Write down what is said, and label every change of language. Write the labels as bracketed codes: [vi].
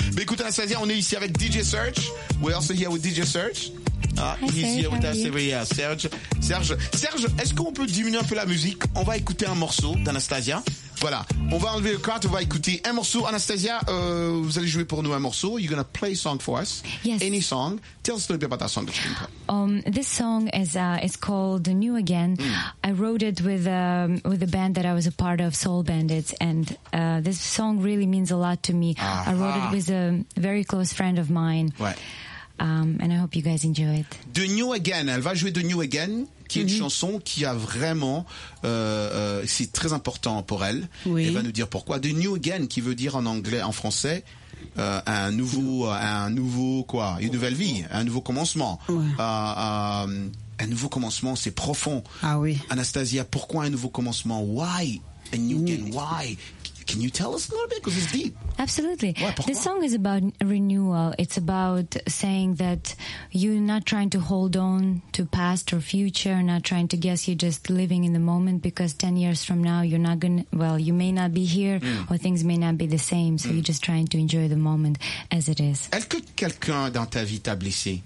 [fr] Mais écoute, Anastasia, on est ici avec DJ Serge. [en] We're also here with DJ Serge. [fr] Serge, est-ce qu'on peut diminuer un peu la musique? On va écouter un morceau d'Anastasia. Voilà, on va enlever le cart, on va écouter un morceau. Anastasia, vous allez jouer pour nous un morceau. [en] You're going to play a song for us. Yes. Any song. Tell us a little bit about that song. This song is called New Again. Mm. I wrote it with a band that I was a part of, Soul Bandits. And this song really means a lot to me. Aha. I wrote it with a very close friend of mine. [fr] Ouais. [en] And I hope you guys enjoy it. [fr] The New Again, elle va jouer The New Again, qui mm-hmm. est une chanson qui a vraiment, c'est très important pour elle. Oui. Elle va nous dire pourquoi. The New Again, qui veut dire en anglais, en français, un nouveau commencement. Ouais. Un nouveau commencement, c'est profond. Ah oui. [en] Anastasia, pourquoi un nouveau commencement? Why a new again? Why? Can you tell us a little bit? Because it's deep. Absolutely. [fr] Ouais, [en] the song is about renewal. It's about saying that you're not trying to hold on to past or future, not trying to guess, you're just living in the moment, because 10 years from now, you're not going to, well, you may not be here, or things may not be the same, so you're just trying to enjoy the moment as it is. [fr] Est-ce que quelqu'un dans ta vie t'a blessé?